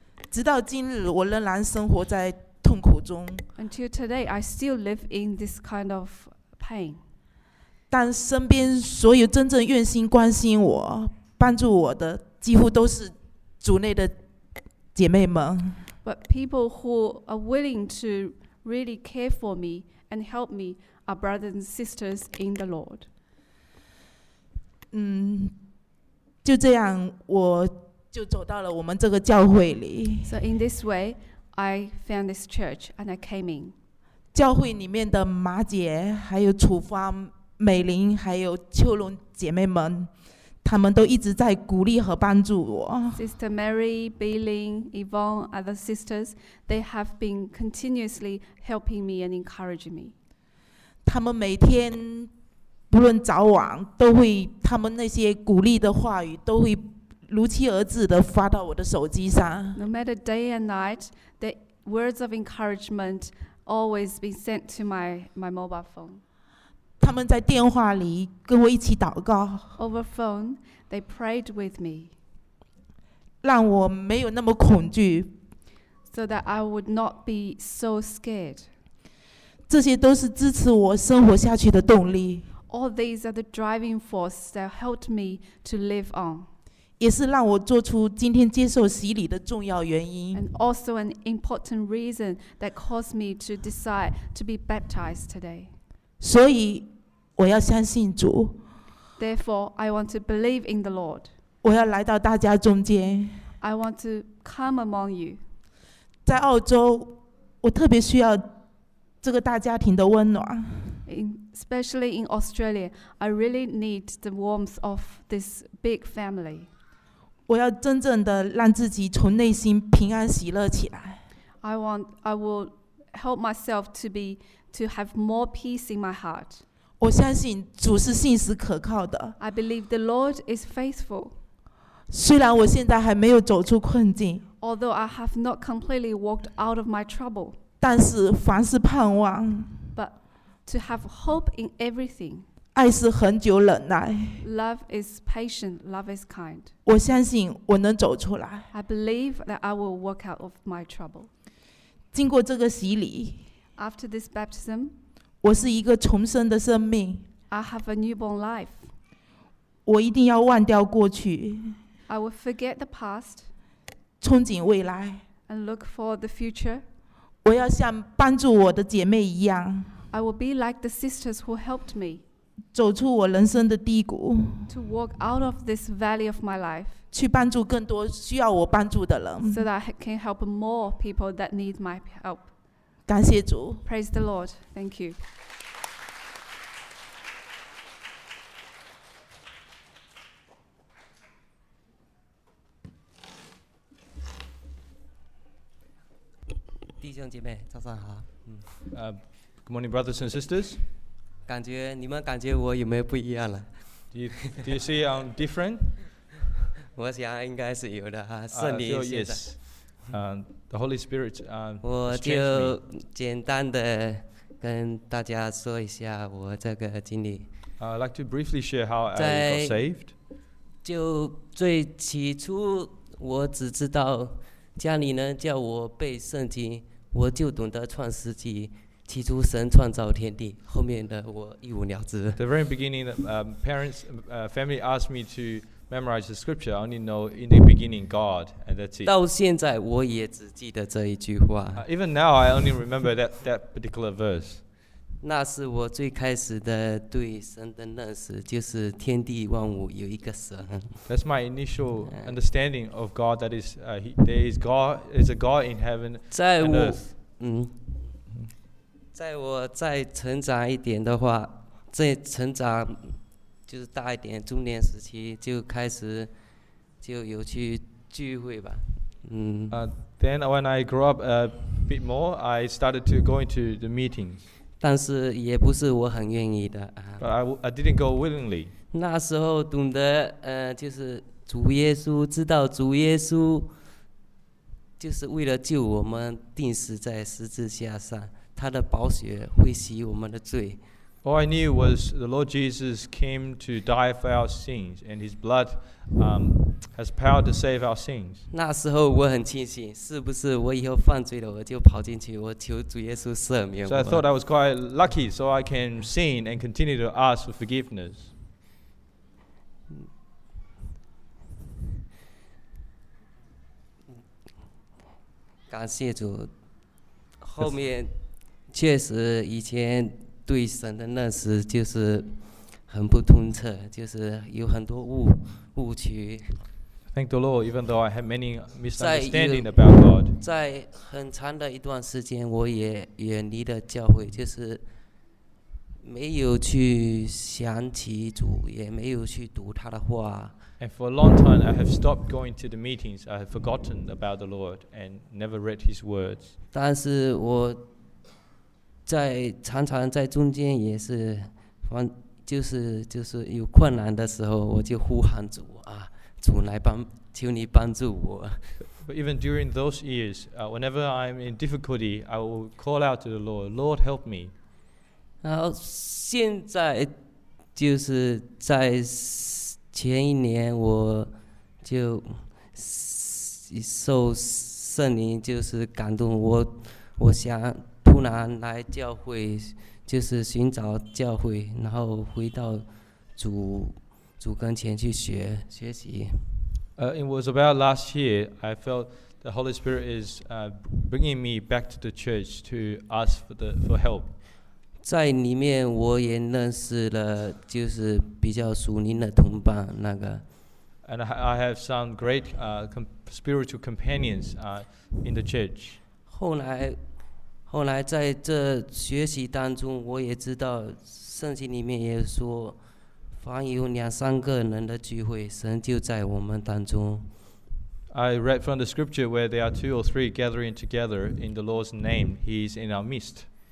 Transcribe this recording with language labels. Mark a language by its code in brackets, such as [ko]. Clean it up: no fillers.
[zh] 直到今日，我仍然生活在。痛苦中。 [en] Until today, I still live in this kind of pain. [zh] 但身边所有真正愿心关心我、帮助我的，几乎都是主内的姐妹们。 [en] But people who are willing to really care for me and help me are brothers and sisters in the Lord. [zh] 就这样，我就走到了我们这个教会里。 [en] So in this way. I found this church and I came in. [zh] 教会里面的马姐、还有楚芳、美玲、还有秋龙姐妹们，她们都一直在鼓励和帮助我。 [en] Sister Mary, Billing, Yvonne, other sisters, they have been continuously helping me and encouraging me. [zh] 她们每天不论早晚，都会她们那些鼓励的话语都会如期而至的发到我的手机上。 [en] No matter day and night. Words of encouragement always been sent to my mobile phone. [zh] 他们在电话里跟我一起祷告。 [en] Over phone, they prayed with me. [zh] 让我没有那么恐惧。 [en] So that I would not be so scared. [zh] 这些都是支持我生活下去的动力。 [en] All these are the driving force that helped me to live on. [zh] 也是让我做出今天接受洗礼的重要原因。 [en] And also an important reason that caused me to decide to be baptized today. [zh] 所以我要相信主。 [en] Therefore, I want to believe in the Lord. [zh] 我要来到大家中间。 [en] I want to come among you. [zh] 在澳洲，我特别需要这个大家庭的温暖。 [en] Especially in Australia, I really need the warmth of this big family. [zh] 我要真正的让自己从内心平安喜乐起来。 [en] I will help myself to have more peace in my heart. [zh] 我相信主是信实可靠的。 [en] I believe the Lord is faithful. [zh] 虽然我现在还没有走出困境 [en] although I have not completely walked out of my trouble, [zh] 但是凡事盼望 [en] but to have hope in everything, [zh] 爱是恒久忍耐 [en] love is patient, love is kind, [zh] 我相信我能走出来 [en] I believe that I will walk out of my trouble, [zh] 经过这个洗礼 [en] after this baptism, [zh] 我是一个重生的生命 [en] I have a newborn life, [zh] 我一定要忘掉过去 [en] I will forget the past, [zh] 憧憬未来 [en] and look for the future. [zh] 我要像帮助我的姐妹一样 [en] I will be like the sisters who helped me. [zh] 走出我人生的低谷 [en] to walk out of this valley of my life. [zh] 去帮助更多需要我帮助的人 [en] so that I can help more people that need my help. [zh] 感谢主 [en] Praise the Lord. Thank you. [zh] 弟兄姐妹，早上好。 [en] Good morning, brothers and sisters. [zh] 感觉你们感觉我有没有不一样了 [en] do you see I'm different? [zh] 我想应该是有的哈，圣灵现在。 [en] Yes. The Holy Spirit. [zh] 我就简单的跟大家说一下我这个经历。 [en] I'd like to briefly share how I got saved. [zh] 就最起初，我只知道。家里呢叫我背圣经，我就懂得创世纪，起初神创造天地，后面的我一无了知。 [en] The very beginning, parents, family asked me to memorize the scripture. I only know in the beginning God, and that's it. [zh] 到现在我也只记得这一句话。 [en] Even now, I only remember that particular verse. [zh] 那是我最开始的对神的认识，就是天地万物有一个神。 [en] That's my initial understanding of God. That is, there is God. Is a God in heaven and earth. [zh] 在我再成长一点的话，再成长就是大一点，中年时期就开始就有去聚会吧。 [en] Then when I grew up a bit more, I started to go into the meetings. [zh] 但是也不是我很愿意的。 [en] But I didn't go willingly. [zh] 那时候懂得就是主耶稣，知道主耶稣就是为了救我们钉死在十字架上，他的宝血会洗我们的罪。 [en] All I knew was the Lord Jesus came to die for our sins, and His blood has power to save our sins. [zh] 那时候我很庆幸，是不是我以后犯罪了，我就跑进去，我求主耶稣赦免我。 [en] So I thought I was quite lucky, so I can sin and continue to ask for forgiveness. [zh] 感谢主，后面确实以前。对神的认识就是很不通彻，就是有很多误区。 [en] Thank the Lord, even though I had many misunderstanding about God. [zh] 在很长的一段时间，我也远离了教会，就是没有去想起主，也没有去读他的话。 [en] And for a long time, I have stopped going to the meetings. I have forgotten about the Lord and never read His words. [zh] 但是我在常常在中间也是，就是有困难的时候，我就呼喊主啊，主来帮，求你帮助我。 [en] But even during those years, whenever I'm in difficulty, I will call out to the Lord, Lord help me. [zh] 然后现在就是在前一年，我就受圣灵就是感动，我想。突然来教会，就是寻找教会，然后回到主跟前去学习。 [en] It was about last year. I felt the Holy Spirit is bringing me back to the church to ask for help. [zh] 在里面我也认识了，就是比较属灵的同伴那个。 [en] And I have some great spiritual companions in the church. [zh] 后来在这学习当中，我也知道圣经里面也说，凡有两三个人的聚会，神就在我们当中。 [en] I read from the scripture where there are two or three gathering together in the Lord's name, He is in our midst.